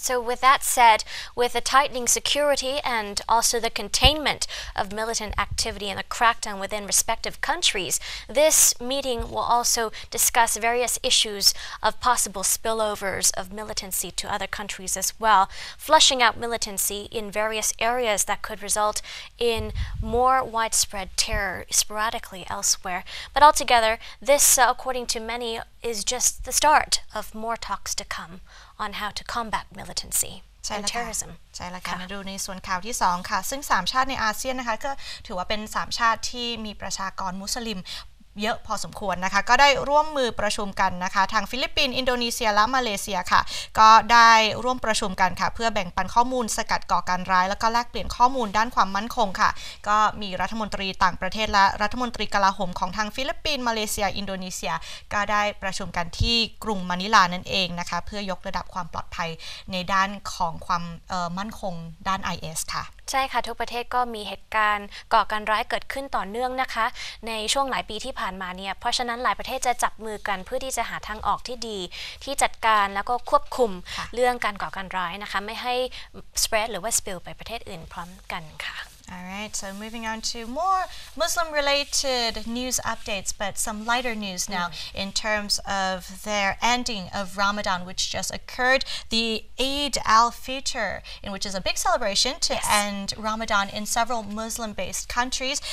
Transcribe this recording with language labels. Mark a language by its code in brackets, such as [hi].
[en] So with that said, with the tightening security and also the containment of militant activity and the crackdown within respective countries, this meeting will also discuss various issues of possible spillovers of militancy to other countries as well, flushing out militancy in various areas that could result in more widespread terror sporadically elsewhere. But altogether, this, according to many, is just the start of more talks to come on how to combat militancy and terrorism. [th] ใช่แล้วค่ะมาดูในส่วนข่าวที่2ค่ะซึ่ง3ชาติในอาเซียนนะคะก็ถือว่าเป็น3ชาติที่มีประชากรมุสลิมเยอะพอสมควรนะคะก็ได้ร่วมมือประชุมกันนะคะทางฟิลิปปินส์อินโดนีเซียและมาเลเซียค่ะ ก็ได้ร่วมประชุมกันค่ะเพื่อแบ่งปันข้อมูลสกัดก่อการร้ายแล้วก็แลกเปลี่ยนข้อมูลด้านความมั่นคงค่ะก็มีรัฐมนตรีต่างประเทศและรัฐมนตรีกลาโหมของทางฟิลิปปินส์มาเลเซียอินโดนีเซียก็ได้ประชุมกันที่กรุงมะนิลานั่นเองนะคะเพื่อยกระดับความปลอดภัยในด้านของความมั่นคงด้าน IS ค่ะ ใช่ค่ะทุกประเทศก็มีเหตุการณ์ก่อการร้ายเกิดขึ้นต่อเนื่องนะคะในช่วงหลายปีที่ผ่านมาเนี่ยเพราะฉะนั้นหลายประเทศจะจับมือกันเพื่อที่จะหาทางออกที่ดีที่จัดการแล้วก็ควบคุมเรื่องการก่อการร้ายนะคะไม่ให้ spread หรือว่า spill ไปประเทศอื่นพร้อมกันค่ะ [en] Alright, so moving on to more Muslim-related news updates, but some lighter news now in terms of their ending of Ramadan, which just occurred. The Eid al-Fitr, in which is a big celebration to end Ramadan in several Muslim-based countries.